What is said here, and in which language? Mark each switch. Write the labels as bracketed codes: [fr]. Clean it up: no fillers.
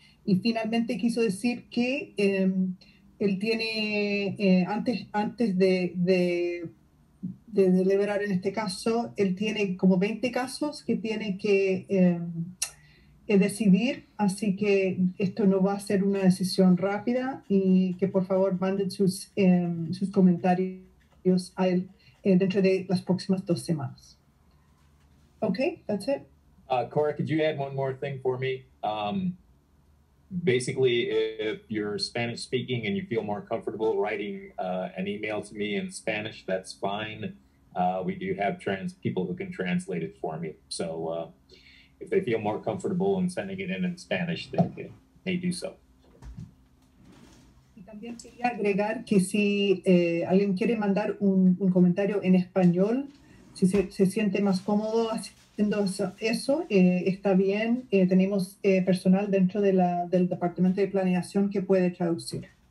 [es] Y finalmente quiso decir que él tiene, antes de deliberar en este caso, él tiene como 20 casos que tiene que decidir, así que esto no va a ser una decisión rápida, y que por favor manden sus sus comentarios a él dentro de las próximas 2 semanas. [en] Okay, that's it. Cora, could you add one more thing for me? Basically, if you're Spanish speaking and you feel more comfortable writing an email to me in Spanish, that's fine. We do have people who can translate it for me. So if they feel more comfortable in sending it in Spanish, they do so. [es] Y también quería agregar que si alguien quiere mandar un comentario en español, si se siente más cómodo Eso está bien. Tenemos personal dentro de del departamento de planeación que puede traducir.